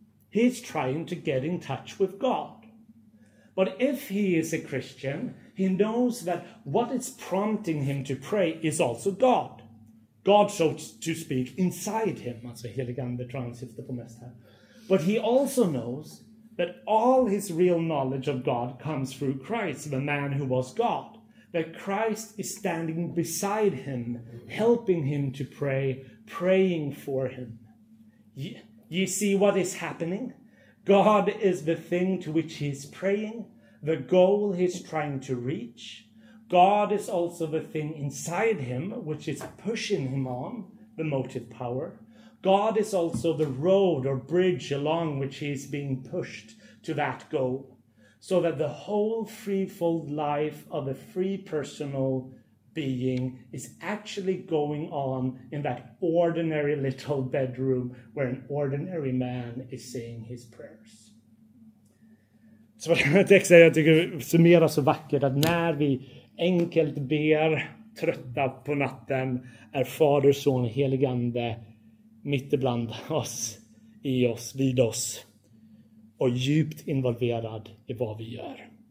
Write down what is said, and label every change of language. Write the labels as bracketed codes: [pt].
[en] He is trying to get in touch with God. But if he is a Christian, he knows that what is prompting him to pray is also God. God, so to speak, inside him. [sv] Alltså heligan, det tror jag sitter på mest här. [en] But he also knows that all his real knowledge of God comes through Christ, the man who was God. That Christ is standing beside him, helping him to pray, praying for him. You see what is happening? God is the thing to which he is praying, the goal he is trying to reach. God is also the thing inside him which is pushing him on, the motive power. God is also the road or bridge along which he is being pushed to that goal, so that the whole threefold life of a free personal being is actually going on in that ordinary little bedroom where an ordinary man is saying his prayers. [sv] Så vad jag tänkte säga, jag tycker summerar så vackert att när vi enkelt ber, trötta på natten, är Fader, Son, heligande mitt ibland oss, i oss, vid oss och djupt involverad i vad vi gör.